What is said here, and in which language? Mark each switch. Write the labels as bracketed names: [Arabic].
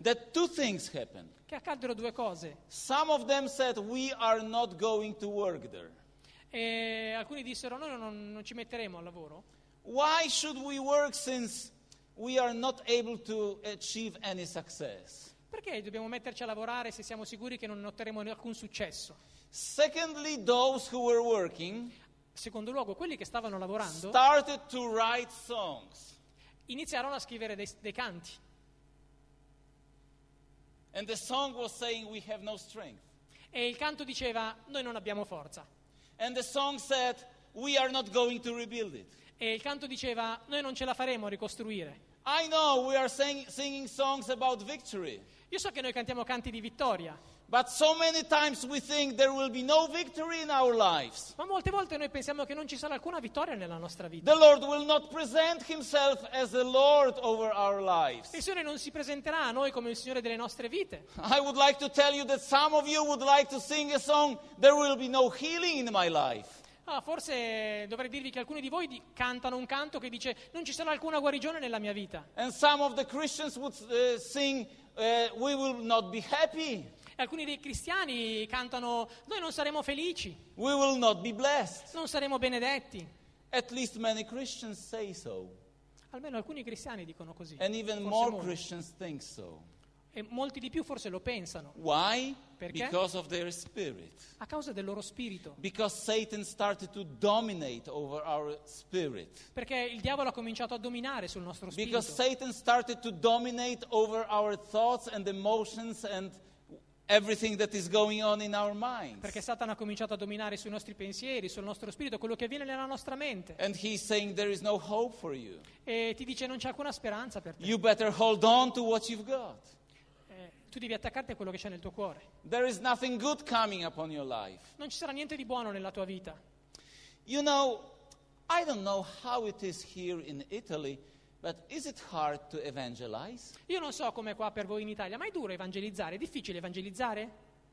[English] That two things happened. [Italian] Che accaddero due cose. [English] Some of them said, "We are not going to work there." [Italian] E alcuni dissero, noi non ci metteremo al lavoro. [English] Why should we work since we are not able to achieve any success? [Italian] Perché dobbiamo metterci a lavorare se siamo sicuri che non otterremo alcun successo? [English] Secondly, those who were working, [Italian] secondo luogo, quelli che stavano lavorando, [English] started to write songs. [Italian] Iniziarono a scrivere dei canti. [English] And the song was saying, "We have no strength." [Italian] E il canto diceva, noi non abbiamo forza. [English] And the song said, "We are not going to rebuild it." [Italian] E il canto diceva, noi non ce la faremo a ricostruire. [English] I know we are singing songs about victory. [Italian] Io so che noi cantiamo canti di vittoria. [English] But so many times we think there will be no victory in our lives. [Italian] Ma molte volte noi pensiamo che non ci sarà alcuna vittoria nella nostra vita. [English] The Lord will not present himself as the Lord over our lives. [Italian] Il Signore non si presenterà a noi come il Signore delle nostre vite. [English] I would like to tell you that some of you would like to sing a song, "There will be no healing in my life." [Italian] Ah, forse dovrei dirvi che alcuni di voi cantano un canto che dice, "Non ci sarà alcuna guarigione nella mia vita." [English] And some of the Christians would sing, "We will not be happy." [Italian] E alcuni dei cristiani cantano: noi non saremo felici. [English] We will not be blessed. [Italian] Non saremo benedetti. [English] At least many Christians say so. [Italian] Almeno alcuni cristiani dicono così. [English] And even [Italian] forse [English] more [Italian] molti. [English] Christians think so. [Italian] E molti di più forse lo pensano. [English] Why? [Italian] Perché? [English] Because of their spirit. [Italian] A causa del loro spirito. [English] Because Satan started to dominate over our spirit. [Italian] Perché il diavolo ha cominciato a dominare sul nostro spirito. [English] Because Satan started to dominate over our thoughts and emotions and everything that is going on in our minds. [Italian] Perché Satana ha cominciato a dominare sui nostri pensieri, sul nostro spirito, quello che avviene nella nostra mente. [English] And he's saying there is no hope for you. [Italian] E ti dice: non c'è alcuna speranza per te. [English] You better hold on to what you've got. [Italian] Tu devi attaccarti a quello che c'è nel tuo cuore. [English] There is nothing good coming upon your life. [Italian] Non ci sarà niente di buono nella tua vita. [English] You know, I don't know how it is here in Italy, but is it hard to evangelize? [Italian] Io non so com'è qua per voi in Italia, ma è duro evangelizzare? È difficile evangelizzare?